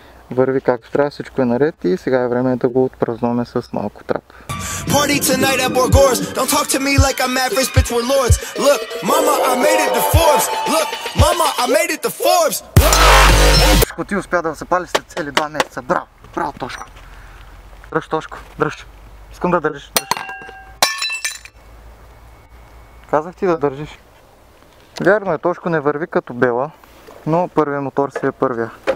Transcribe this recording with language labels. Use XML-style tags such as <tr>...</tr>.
<bg>Върви както трябва, всичко е наред и сега е време да го отпразнуваме с малко трап.</bg> <en>Party tonight at Borgors. Don't talk to me like I'm average, bitch, we're lords. Look, mama, I made it to Forbes. Look, mama, I made it to Forbes.</en> <bg>Тошко, ти успя да запали след цели 2 месеца. Браво, браво, Тошко. Дръж, Тошко, дръж. Искам да държиш, дръж. Казах ти да държиш. Вярно е, Тошко не върви като бела, но първият мотор си е първия.</bg>